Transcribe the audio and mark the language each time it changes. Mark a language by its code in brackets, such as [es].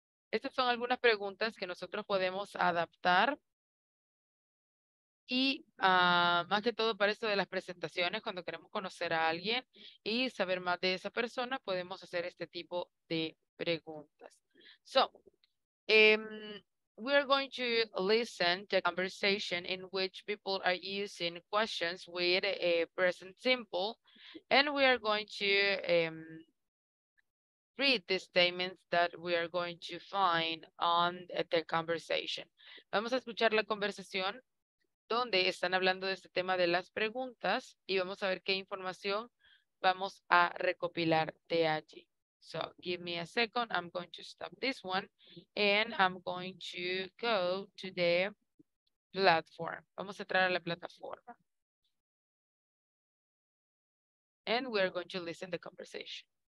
[es] Estas son algunas preguntas que nosotros podemos adaptar. Y más que todo para esto de las presentaciones, cuando queremos conocer a alguien y saber más de esa persona, podemos hacer este tipo de preguntas. [en] So, we are going to listen to a conversation in which people are using questions with a present simple. And we are going to read the statements that we are going to find on the conversation. [es] Vamos a escuchar la conversación donde están hablando de este tema de las preguntas y vamos a ver qué información vamos a recopilar de allí. [en] So, give me a second. I'm going to stop this one and I'm going to go to the platform. [es] Vamos a entrar a la plataforma. [en] And we are going to listen to the conversation.